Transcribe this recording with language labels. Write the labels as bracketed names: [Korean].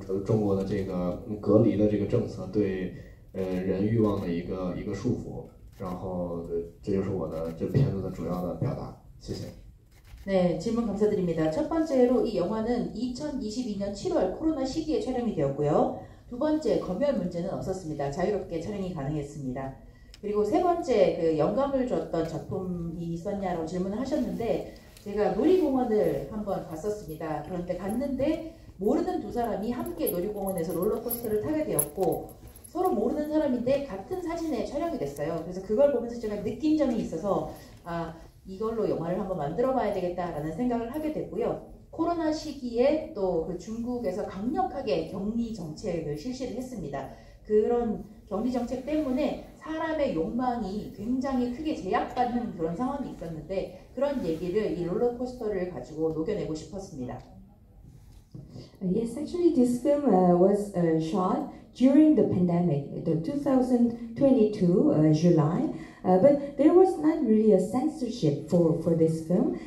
[Chinese] 然后，第三个问题就是这个片子的灵感来源于我有一次去游乐场里面坐那个过山车的时候，我看到了两个互不认识的陌生人，他们一起坐了过山车取了同一张照片，然后这个瞬间很打动我，然后我就想创作一下，就是在疫情期间，然后中国的这个隔离的这个政策对。人欲望的一个束缚，然后这就是我的这片子的主要的表达，谢谢。 [Korean] 네, 질문 감사드립니다. 첫 번째로 이 영화는 2022년 7월 코로나 시기에 촬영이 되었고요. 두 번째 검열 문제는 없었습니다. 자유롭게 촬영이 가능했습니다. 그리고 세 번째 그 영감을 줬던 작품이 있었냐라고 질문을 하셨는데 제가 놀이공원을 한번 갔었습니다. 그런데 갔는데 모르는 두 사람이 함께 놀이공원에서 롤러코스터를 타게 되었고. 서로 모르는 사람인데 같은 사진에 촬영이 됐어요. 그래서 그걸 보면서 제가 느낀 점이 있어서 아 이걸로 영화를 한번 만들어봐야 되겠다라는 생각을 하게 됐고요. 코로나 시기에 또 그 중국에서 강력하게 격리 정책을 실시를 했습니다. 그런 격리 정책 때문에 사람의 욕망이 굉장히 크게 제약받는 그런 상황이 있었는데 그런 얘기를 이 롤러코스터를 가지고 녹여내고 싶었습니다. [English] Yes, actually this film was shot during the pandemic, the 2022 July. But there was not really a censorship for this film.